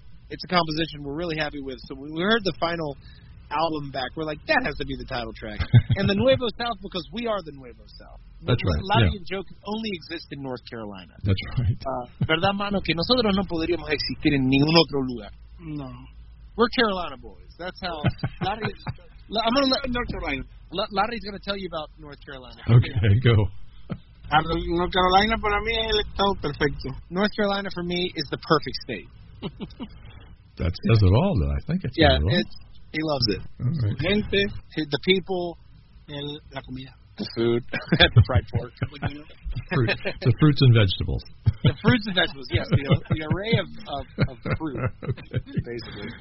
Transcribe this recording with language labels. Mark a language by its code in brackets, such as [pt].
[en] It's a composition we're really happy with. So when we heard the final album back, we're like, that has to be the title track. And the Nuevo South, because we are the Nuevo South. That's right. Latin yeah. joke only exists in North Carolina. That's right. [es] ¿Verdad, mano? Que nosotros no podríamos existir en ningún otro lugar. No. [en] We're Carolina boys. That's how. I'm going to let North Carolina. Larry's going to tell you about North Carolina. Okay, go. [es] North Carolina para mí es el estado perfecto. [en] North Carolina for me is the perfect state. That says it all, though. I think it says it all. Yeah, he loves it. Right. [es] Gente, [en] the people, [es] el, la comida. [en] The food, the fried pork. The fruits and vegetables. The fruits and vegetables, yes. The array of fruit, basically.